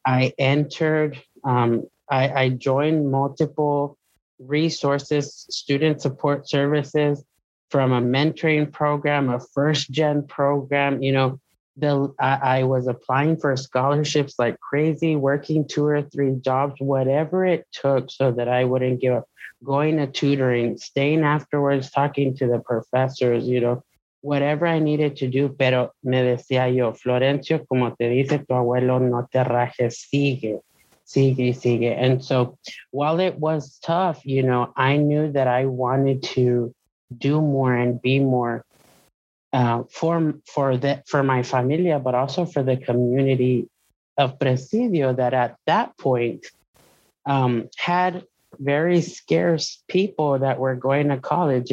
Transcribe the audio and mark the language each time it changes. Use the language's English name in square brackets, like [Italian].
[English] I entered, I joined multiple resources, student support services, from a mentoring program, a first gen program, you know. I was applying for scholarships like crazy, working two or three jobs, whatever it took so that I wouldn't give up, going to tutoring, staying afterwards, talking to the professors, you know, whatever I needed to do. [Spanish] Pero me decía yo, Florencio, como te dice tu abuelo, no te rajes, sigue, sigue, sigue. [English] And so while it was tough, you know, I knew that I wanted to do more and be more for my familia, but also for the community of Presidio that at that point had very scarce people that were going to college.